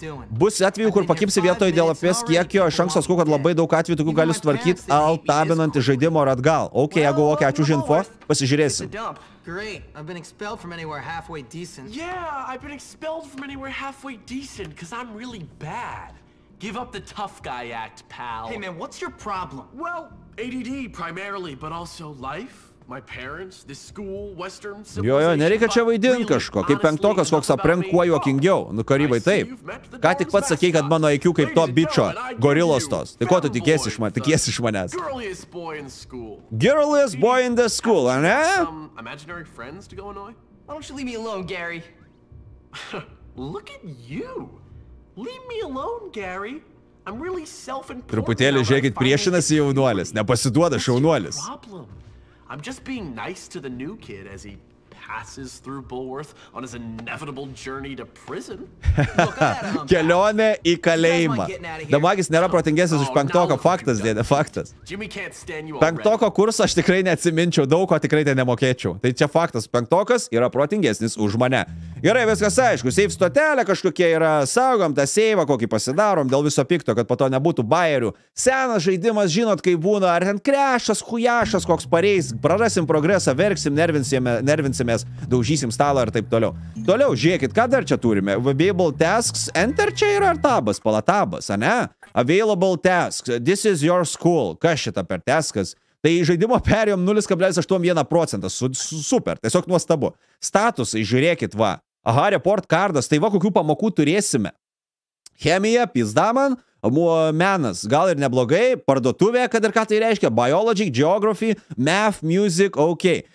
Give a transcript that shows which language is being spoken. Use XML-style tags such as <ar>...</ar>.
<lt>Bus atvejų, kur pakipsi vietoje dėl FPS kiekio, aš anksto sakau, kad labai daug atvejų tokių gali sutvarkyti altabinant iš žaidimo ar atgal. Ok, jeigu ok, ačiū už info, pasižiūrėsim.</lt> <en>Great. I've been expelled from anywhere halfway decent. Yeah, I've been expelled from anywhere halfway decent because I'm really bad. Give up the tough guy act, pal. Hey man, what's your problem? Well, ADD primarily, but also life, my parents, the school, western civilization.</en> <lt>Jo, nereikia čia vaidint kažko. Kaip penktokas, koks aprink, kuo juokingiau. Nu, Karybai, taip. Ką tik pats sakei, kad mano IQ kaip to bičio, gorilos tos. Tai ko tu tikiesi iš manęs?</lt> <en>Girliest boy in school. Girliest boy in the school, ane? Imaginary friends to go annoy? Why don't you leave me alone, Gary? Look at you. Leave me alone, Gary. I'm really self-important.</en> <lt>Truputėlį, žiūrėkit, priešinasi jaunuolis. Nepasiduoda šaunuolis.</lt> <en>I'm just being nice to the new kid as he passes through Bulworth on his inevitable journey to prison.</en> <lt>Kelionė į kalėjimą. Damagis nėra protingesnis už penktoką, faktas, dėdė, faktas. Penktoko kursą aš tikrai neatsiminčiau, daug ko tikrai ten nemokėčiau. Tai čia faktas, penktokas yra protingesnis už mane. Gerai, viskas aišku, save stotelė kažkokie yra, saugom tą save, kokį pasidarom, dėl viso pikto, kad po to nebūtų bajerių. Senas žaidimas, žinot, kaip būna, ar ten krešas, hujašas, koks pareis, prarasim progresą, verksim, nervinsimės, daužysim stalą ir taip toliau. Toliau, žiūrėkit, ką dar čia turime?</lt> <en>Available tasks, enter</en> <lt>čia yra ar tabas, pala tabas, ane?</lt> <en>Available tasks, this is your school,</en> <lt>kas šita per taskas? Tai žaidimo perėjom 0,81%, super, tiesiog nuostabu. Statusai, žiūrėkit, va, aha, report cardas, tai va, kokių pamokų turėsime. Chemija, pizda man, menas, gal ir neblogai, parduotuvė, kad ir ką tai reiškia,</lt> <en>biology, geography, math, music,</en> <lt>ok.</lt>